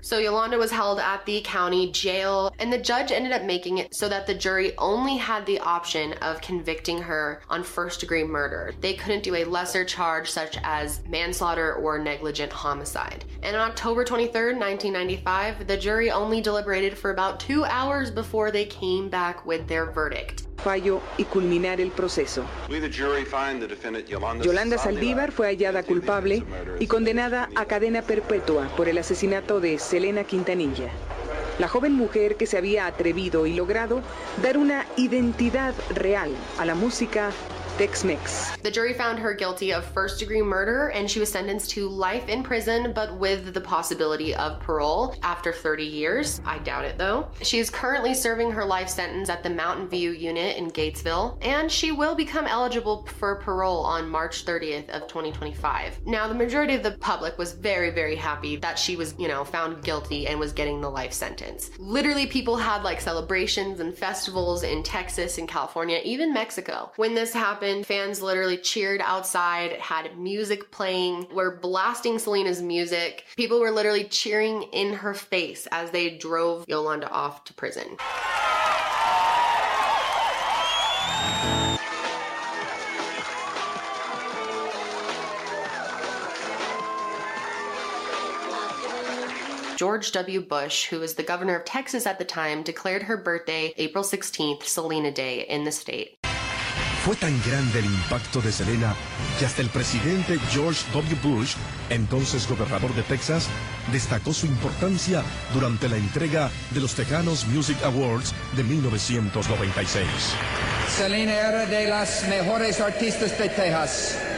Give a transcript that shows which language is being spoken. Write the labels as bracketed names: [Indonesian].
[English] So Yolanda was held at the county jail, and the judge ended up making it so that the jury only had the option of convicting her on first degree murder. They couldn't do a lesser charge such as manslaughter or negligent homicide. And on October 23rd, 1995, the jury only deliberated for about 2 hours before they came back with their verdict. [Spanish] Fallo y culminar el proceso. Yolanda Saldívar fue hallada culpable y condenada a cadena perpetua por el asesinato de Selena Quintanilla, la joven mujer que se había atrevido y logrado dar una identidad real a la música. [English] The jury found her guilty of first degree murder, and she was sentenced to life in prison, but with the possibility of parole after 30 years. I doubt it though. She is currently serving her life sentence at the Mountain View unit in Gatesville, and she will become eligible for parole on March 30th of 2025. Now, the majority of the public was very, very happy that she was, you know, found guilty and was getting the life sentence. Literally, people had like celebrations and festivals in Texas and California, even Mexico. When this happened, fans literally cheered outside, had music playing, were blasting Selena's music. People were literally cheering in her face as they drove Yolanda off to prison. George W. Bush, who was the governor of Texas at the time, declared her birthday April 16th, Selena Day, in the state. [Spanish] Fue tan grande el impacto de Selena que hasta el presidente George W. Bush, entonces gobernador de Texas, destacó su importancia durante la entrega de los Tejanos Music Awards de 1996. Selena era de las mejores artistas de Texas.